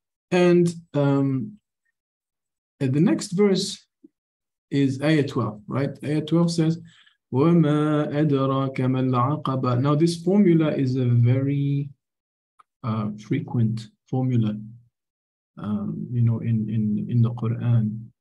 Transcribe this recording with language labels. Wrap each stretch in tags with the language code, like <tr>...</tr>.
<en>And the next verse is Ayah 12, right? Ayah 12 says,</en> <ar>وَمَا أَدْرَاكَ مَا الْعَقَبَ.</ar> <en>Now this formula is a very frequent formula, in the Quran.</en>